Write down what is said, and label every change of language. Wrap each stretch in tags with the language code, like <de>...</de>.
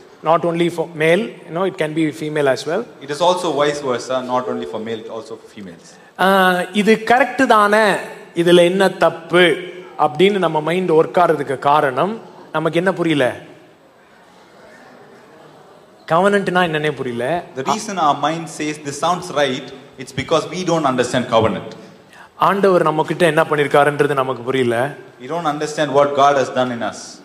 <en>Not only for male, you know, it can be female as well. It is also vice versa, not only for male, also for females.</en> <ta>இது correct தானே, இதுல என்ன தப்பு அப்படின்னு நம்ம mind work ஆறதுக்கு காரணம் நமக்கு என்ன புரியல, கவனன்ட்னா என்னன்னே புரியல.</ta> <en>The reason our mind says this sounds right, it's because we don't understand covenant.</en> <ta>ஆண்டவர் நம்ம கிட்ட என்ன பண்ணிருக்காருன்றது நமக்கு புரியல.</ta> <en>We don't understand what God has done in us.</en>